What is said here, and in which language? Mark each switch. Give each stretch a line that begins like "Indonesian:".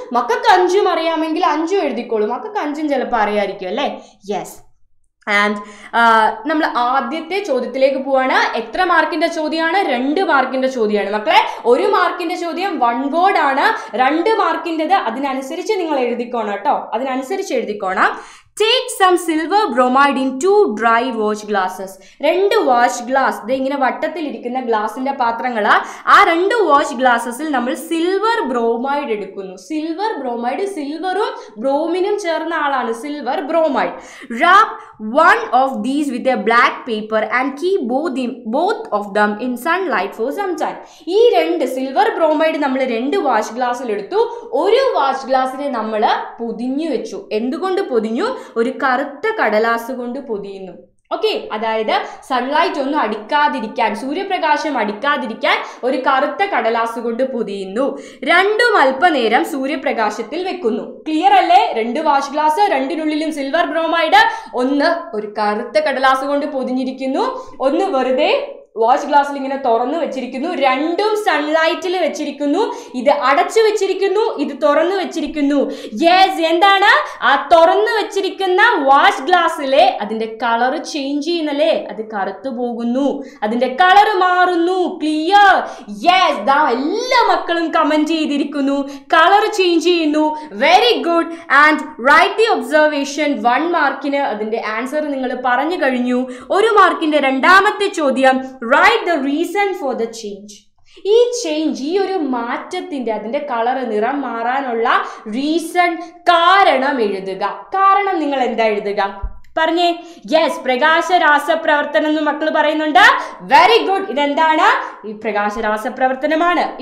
Malayalam: മക്കൾക്ക് അഞ്ചും അറിയാമെങ്കിൽ അഞ്ചും എഴുതിക്കോളൂ, മക്കൾക്ക് അഞ്ചും ചിലപ്പോൾ അറിയാമായിരിക്കും അല്ലേ. യെസ്. ആൻഡ് നമ്മൾ ആദ്യത്തെ ചോദ്യത്തിലേക്ക് പോവാണ്. എത്ര മാർക്കിന്റെ ചോദ്യമാണ്? രണ്ട് മാർക്കിന്റെ ചോദ്യമാണ് മക്കളെ. ഒരു മാർക്കിന്റെ ചോദ്യം വൺ വേർഡ് ആണ്, രണ്ട് മാർക്കിൻ്റെത് അതിനനുസരിച്ച് നിങ്ങൾ എഴുതിക്കോണം കേട്ടോ, അതിനനുസരിച്ച് എഴുതിക്കോണം.
English: Take some silver bromide in two dry wash glasses.
Malayalam: രണ്ട് വാഷ് ഗ്ലാസ് ഇങ്ങനെ വട്ടത്തിൽ ഇരിക്കുന്ന ഗ്ലാസിന്റെ പാത്രങ്ങളാ. ആ രണ്ട് വാഷ് ഗ്ലാസ്സിൽ നമ്മൾ സിൽവർ ബ്രോമൈഡ് എടുക്കുന്നു. സിൽവർ ബ്രോമൈഡ്, സിൽവറും ബ്രോമിനും ചേർന്ന ആളാണ് silver bromide.
English: Wrap one of these with a black paper and keep both of them in sunlight for some time.
Malayalam: ഈ രണ്ട് സിൽവർ ബ്രോമൈഡ് നമ്മൾ രണ്ട് വാഷ് ഗ്ലാസ്സിൽ എടുത്തു. ഒരു വാഷ് ഗ്ലാസ്സിനെ നമ്മൾ പൊതിഞ്ഞു വെച്ചു. എന്തുകൊണ്ട് പൊതിഞ്ഞു? ഒരു കറുത്ത കടലാസ് കൊണ്ട് പൊതിയുന്നു. ഓക്കെ, അതായത് സൺലൈറ്റ് ഒന്നും അടിക്കാതിരിക്കാൻ, സൂര്യപ്രകാശം അടിക്കാതിരിക്കാൻ ഒരു കറുത്ത കടലാസ് കൊണ്ട് പൊതിയുന്നു. രണ്ടും അല്പനേരം സൂര്യപ്രകാശത്തിൽ വെക്കുന്നു. ക്ലിയർ അല്ലേ? രണ്ട് വാഷ് ഗ്ലാസ്, രണ്ടിനുള്ളിലും സിൽവർ ബ്രോമൈഡ്, ഒന്ന് ഒരു കറുത്ത കടലാസ് കൊണ്ട് പൊതിഞ്ഞിരിക്കുന്നു, ഒന്ന് വെറുതെ വാഷ് ഗ്ലാസ്സിൽ ഇങ്ങനെ തുറന്നു വെച്ചിരിക്കുന്നു, രണ്ടും സൺലൈറ്റിൽ വെച്ചിരിക്കുന്നു. ഇത് അടച്ചു വെച്ചിരിക്കുന്നു, ഇത് തുറന്നു വെച്ചിരിക്കുന്നു. യെസ്, എന്താണ്? ആ തുറന്നു വെച്ചിരിക്കുന്ന വാഷ് ഗ്ലാസ്സിലെ അതിന്റെ കളർ ചേഞ്ച് ചെയ്യുന്നല്ലേ, അത് കറുത്തു പോകുന്നു, അതിന്റെ കളർ മാറുന്നു. ക്ലിയർ? യെസ്. ദാ എല്ലാ മക്കളും കമന്റ് ചെയ്തിരിക്കുന്നു, കളർ ചേഞ്ച് ചെയ്യുന്നു. Very good.
English: And write the observation.
Malayalam: 1 മാർക്കിന് അതിന്റെ ആൻസർ നിങ്ങൾ പറഞ്ഞു കഴിഞ്ഞു. 1 മാർക്കിന്റെ രണ്ടാമത്തെ ചോദ്യം,
English: write the reason for the change.
Malayalam: ഈ ചേഞ്ച്, ഈ ഒരു മാറ്റത്തിന്റെ, അതിന്റെ കളറ്, നിറം മാറാനുള്ള റീസൺ, കാരണം എഴുതുക. കാരണം നിങ്ങൾ എന്താ എഴുതുക? പറഞ്ഞേ. യെസ്, പ്രകാശരാസപ്രവർത്തനം എന്ന് മക്കൾ പറയുന്നുണ്ട്. Very good. ഇതെന്താണ്? ഈ പ്രകാശരാസപ്രവർത്തനമാണ്.